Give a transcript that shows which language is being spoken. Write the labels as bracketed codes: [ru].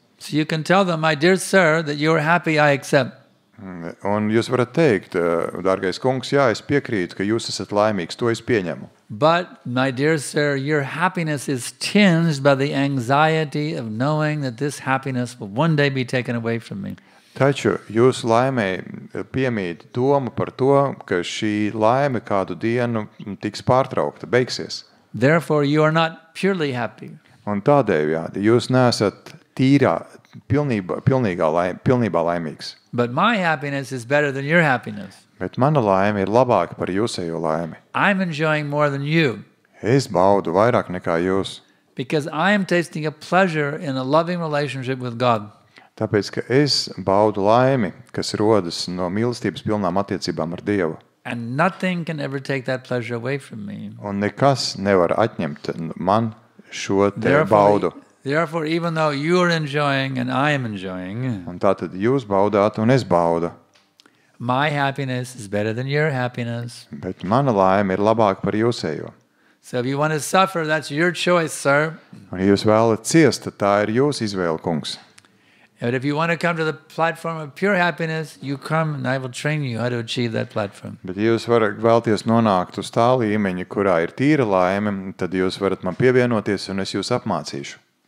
[en] So you can tell them, my dear sir, that you are happy, I accept. [lv] Un jūs varat teikt, dārgais kungs, jā, es piekrītu, ka jūs esat laimīgs, to es pieņemu. [en] But, my dear sir, your happiness is tinged by the anxiety of knowing that this happiness will one day be taken away from me. [lv] Taču jūs laimē piemīt doma par to, ka šī laime kādu dienu tiks pārtraukta, beigsies. [en] Therefore, you are not purely happy. [lv] Un tādēļ, jā, jūs neesat tīrā, pilnībā laimīgs. [en] But my happiness is better than your happiness. [lv] Bet mana laime ir labāka par jūsējo laimi. [en] I'm enjoying more than you. [lv] Es baudu vairāk nekā jūs. [en] Because I am tasting a pleasure in a loving relationship with God. [lv] Tāpēc, ka es baudu laimi, kas rodas no mīlestības pilnām attiecībām ar Dievu. [en] And nothing can ever take that pleasure away from me. [lv] Un nekas nevar atņemt man šo te [en] therefore, [lv] baudu. [en] Therefore, even though you are enjoying and I am enjoying, [lv] un tātad jūs baudāt un es baudu. [en] My happiness is better than your happiness. [lv] Bet mana laime ir labāka par jūsējo. [en] So if you want to suffer, that's your choice, sir. [lv] Un ja jūs vēlat ciest, tā ir jūsu izvēle, kungs. [en] But if you want to come to the platform of pure happiness, you come and I will train you how to achieve that platform. [lv] Bet jūs varat vēlties nonākt uz tā līmeņa, kurā ir tīra laime, tad jūs varat man pievienoties un es jūs apmācīšu.